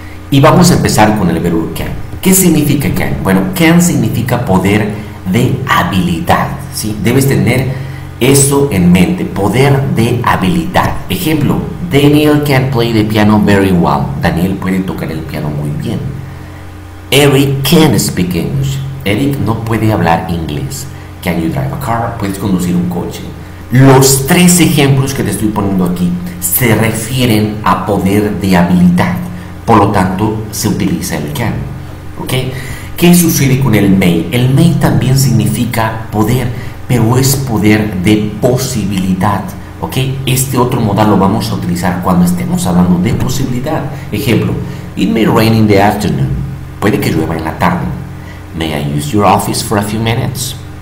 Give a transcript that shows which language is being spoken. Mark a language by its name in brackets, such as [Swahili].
[Spanish] Y vamos a empezar con el verbo can. ¿Qué significa can? Bueno, can significa poder de habilidad, ¿sí? Debes tener eso en mente, poder de habilidad. Ejemplo, [English] Daniel can play the piano very well. [Spanish] Daniel puede tocar el piano muy bien. [English] Eric can speak English. [Spanish] Eric no puede hablar inglés. [English] Can you drive a car? [Spanish] Puedes conducir un coche. Los 3 ejemplos que te estoy poniendo aquí se refieren a poder de habilidad. Por lo tanto, se utiliza el can. ¿Ok? ¿Qué sucede con el may? El may también significa poder, pero es poder de posibilidad. ¿Ok? Este otro modal lo vamos a utilizar cuando estemos hablando de posibilidad. Ejemplo, [English] it may rain in the afternoon. [Spanish] Puede que llueva en la tarde. [English] May I use your office for a few minutes?